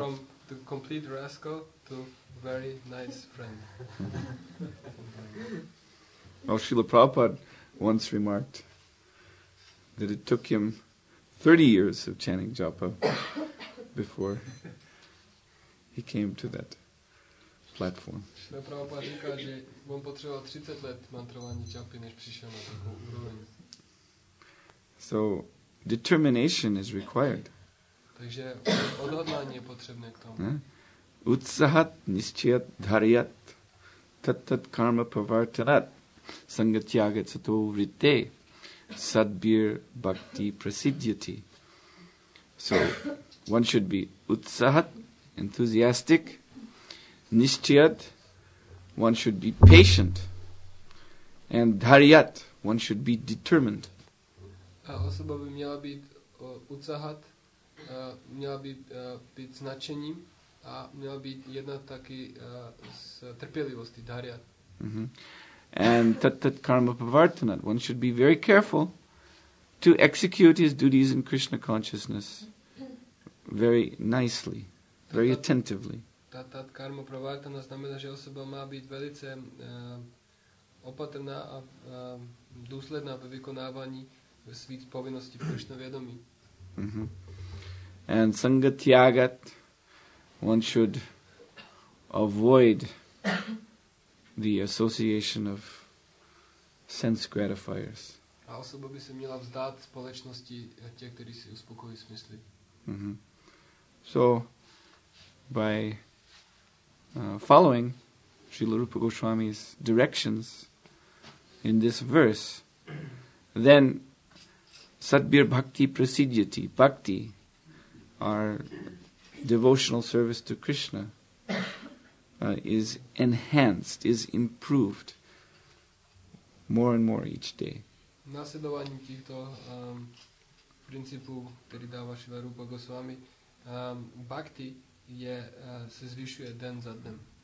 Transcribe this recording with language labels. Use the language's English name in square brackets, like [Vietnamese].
[English] from the complete rascal to very nice friend. Well, Srila Prabhupada once remarked that it took him 30 years of chanting japa before he came to that platform. [Czech] Srila Prabhupada říká, že on potřeboval 30 let mantrování japy, než přišel na takovou úroveň. [English] So determination is required. [Czech] Takže odhodlání je potřebné k tomu. [Sanskrit] Utsahat nischayat dharyat tat tat karma pavartanat sangatyaga cato vritte sadbir bhakti prasidyati. [English] So one should be utsahat, enthusiastic, nishchayat, one should be patient, and dharyat, one should be determined. [Czech] A osoba by měla být utsahat, měla by být s nadšením a měla být jednat taky s trpělivostí, dharyat. [English] And [Sanskrit] tat-tat karma pavartanat, [English] one should be very careful to execute his duties in Krishna consciousness very nicely, very attentively. [Sanskrit] Tat-tat karma pravartana [Czech] znamená, že osoba má být velice opatrná a důsledná ve vykonávání svých povinností v Krishna vědomí. [English] And sangatyagat, one should avoid the association of sense gratifiers. [Czech] A osoba by se měla vzdát společnosti těch, kteří si uspokojí smysly. [English] So, by following Srila Rupa Goswami's directions in this verse, then [Sanskrit] sadbir bhakti prasidyati, [English] bhakti, our devotional service to Krishna, is enhanced, is improved more and more each day. [Czech] Následováním těchto principů, který dává Srila Rupa Goswami, bhakti je, se zvyšuje den za dnem.